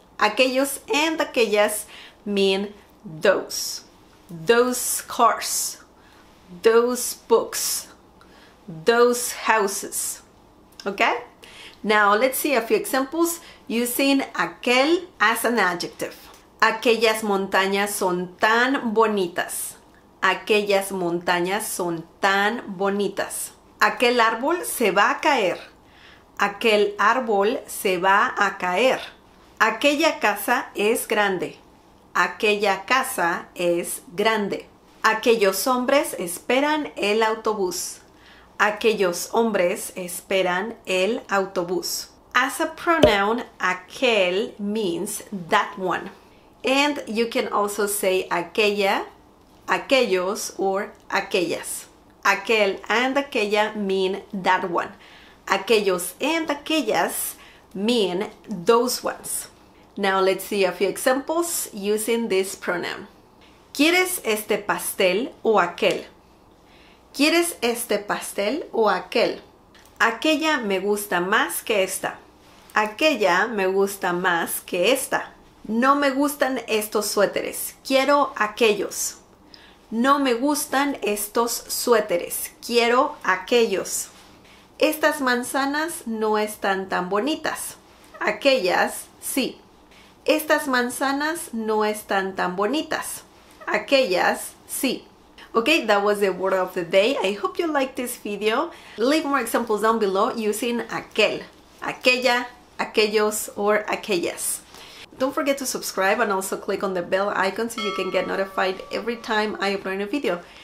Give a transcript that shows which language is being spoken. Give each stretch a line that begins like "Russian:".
English: Aquellos and aquellas mean those. Those cars, those books, those houses. Okay? Now let's see a few examples using aquel as an adjective.
Spanish: Aquellas montañas son tan bonitas. Aquellas montañas son tan bonitas. Aquel árbol se va a caer. Aquel árbol se va a caer. Aquella casa es grande. Aquella casa es grande. Aquellos hombres esperan el autobús. Aquellos hombres esperan el autobús.
English: As a pronoun, aquel means that one. And you can also say aquella, aquellos, or aquellas. Aquel and aquella mean that one. Aquellos and aquellas mean those ones. Now let's see a few examples using this pronoun.
Spanish: ¿Quieres este pastel o aquel? ¿Quieres este pastel o aquel? Aquella me gusta más que esta. Aquella me gusta más que esta. No me gustan estos suéteres. Quiero aquellos. No me gustan estos suéteres. Quiero aquellos. Estas manzanas no están tan bonitas. Aquellas sí. Estas manzanas no están tan bonitas. Aquellas sí.
English: Okay, that was the word of the day. I hope you liked this video. Leave more examples down below using aquel, aquella, aquellos, or aquellas. Don't forget to subscribe and also click on the bell icon so you can get notified every time I upload a new video.